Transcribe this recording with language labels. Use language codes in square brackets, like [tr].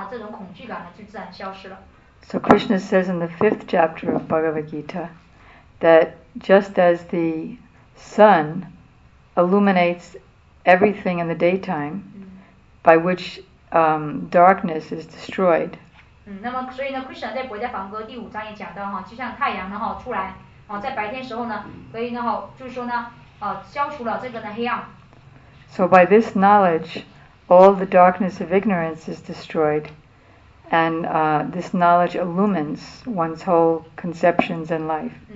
[zh] 但是呢哈，当太阳出来哈，在天亮的时候的话，这种恐惧感呢就自然消失了。 [en] So Krishna says in the fifth chapter of Bhagavad Gita that just as the sun illuminates everything in the daytime, by which darkness is destroyed. [zh] 那么所以呢 ，Krishna 在《国家梵歌》第五章也讲到哈，就像太阳呢哈出来，在白天时候呢，所以呢哈就是说呢，消除了这个呢黑暗。 [en] So by this knowledge, all the darkness of ignorance is destroyed, and this knowledge illumines one's whole conceptions and life.